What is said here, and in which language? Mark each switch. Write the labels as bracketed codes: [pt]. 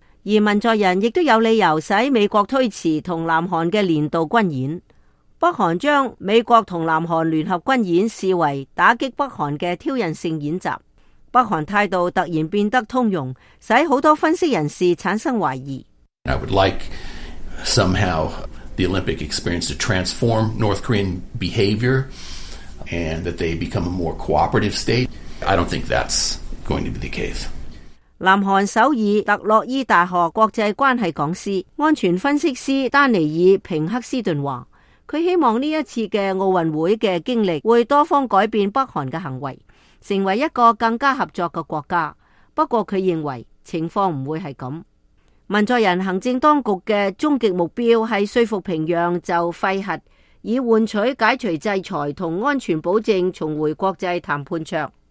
[zh] 而文在寅亦都有理由使美国推迟和南韩的年度军演。北韩将美国和南韩联合军演视为打击北韩的挑衅性演习。北韩态度突然变得通融，使好多分析人士产生怀疑。 [en] I would like somehow the Olympic experience to transform North Korean behavior and that they become a more cooperative state. I don't think that's going to be the case. [zh] 南韩首尔特洛伊大学国际关系讲师、安全分析师丹尼尔·平克斯顿话，他希望这一次的奥运会的经历会多方改变北韩的行为，成为一个更加合作的国家。不过他认为情况不会是这样。文在人行政当局的终极目标是说服平壤就废核，以换取解除制裁和安全保证重回国际谈判桌。